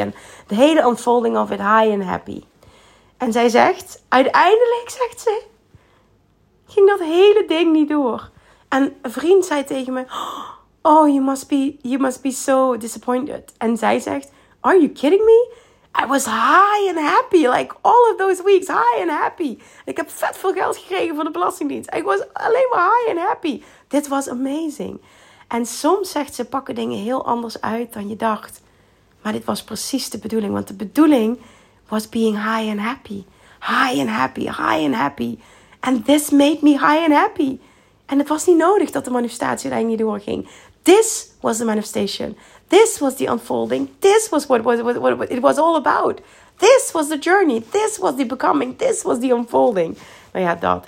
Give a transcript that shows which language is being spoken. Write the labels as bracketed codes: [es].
[nl] En de hele [en] unfolding of it high and happy. [nl] En zij zegt, uiteindelijk, zegt ze, ging dat hele ding niet door. En een vriend zei tegen me, [en] oh, you must be so disappointed. [nl] En zij zegt, [en] are you kidding me? I was high and happy, like all of those weeks, high and happy. [nl] Ik heb vet veel geld gekregen van de Belastingdienst. [en] I was [nl] alleen maar [en] high and happy. [nl] Dit was amazing. En soms, zegt ze, pakken dingen heel anders uit dan je dacht. Maar dit was precies de bedoeling. Want de bedoeling was [en] being high and happy. High and happy, high and happy. And this made me high and happy. [nl] En het was niet nodig dat de manifestatie daar niet doorging. [en] This was the manifestation. This was the unfolding. This was what it was all about. This was the journey. This was the becoming. This was the unfolding. [nl] Nou ja, dat.